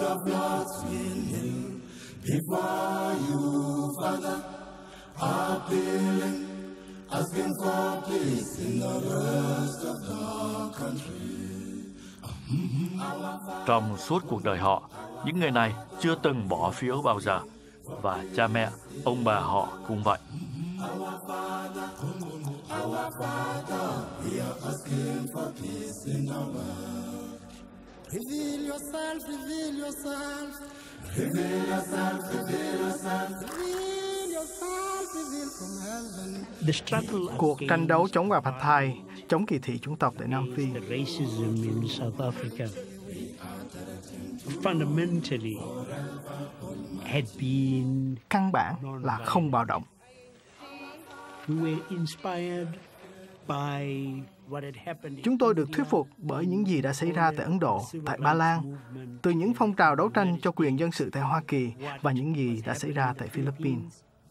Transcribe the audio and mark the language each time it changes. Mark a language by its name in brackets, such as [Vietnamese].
[English] Before you, Father, appealing, asking for peace in the rest of the country. [Vietnamese] Trong suốt cuộc đời họ, những người này chưa từng bỏ phiếu bao giờ, và cha mẹ, ông bà họ cũng vậy. [English] Our Father, we are asking for peace in the world. Reveal yourself. The struggle, [Vietnamese] cuộc tranh đấu chống apartheid, chống kỳ thị chủng tộc tại Nam Phi. [English] The racism in South Africa fundamentally had been [Vietnamese] căn bản là không bạo động. [English] We were inspired by what had happened. [Vietnamese] Chúng tôi được thuyết phục bởi những gì đã xảy ra tại Ấn Độ, tại Ba Lan, từ những phong trào đấu tranh cho quyền dân sự tại Hoa Kỳ và những gì đã xảy ra tại Philippines.